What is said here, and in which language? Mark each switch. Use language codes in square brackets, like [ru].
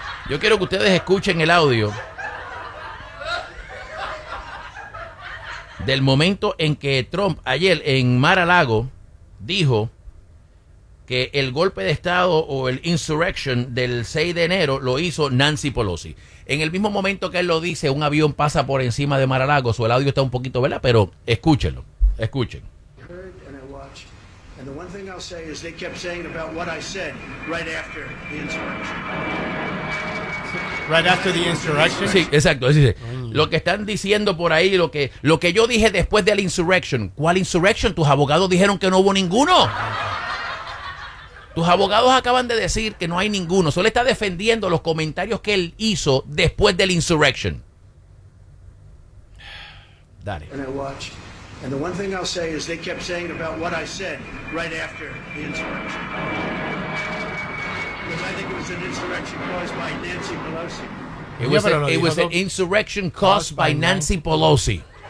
[es] Yo quiero que ustedes escuchen el audio del momento en que Trump ayer en Mar-a-Lago dijo que el golpe de Estado o el insurrection del 6 de enero lo hizo Nancy Pelosi. En el mismo momento que él lo dice, un avión pasa por encima de Mar-a-Lago. Su audio está un poquito, ¿verdad? Pero escúchenlo. Escuchen. [en] And I watched. And the one thing I'll say is they kept saying about what I said right after the insurrection. Right after the insurrection? [es] Sí, exacto. Sí, sí. Lo que están diciendo por ahí, lo que yo dije después de la insurrection. ¿Cuál insurrection? Tus abogados dijeron que no hubo ninguno. Tus abogados acaban de decir que no hay ninguno. Solo está defendiendo los comentarios que él hizo después de la insurrection. Dale. [en] And I watched. And the one thing I'll say is they kept saying about what I said right after the insurrection. Because I think it was an insurrection caused by Nancy Pelosi. It was an insurrection caused by Nancy Pelosi.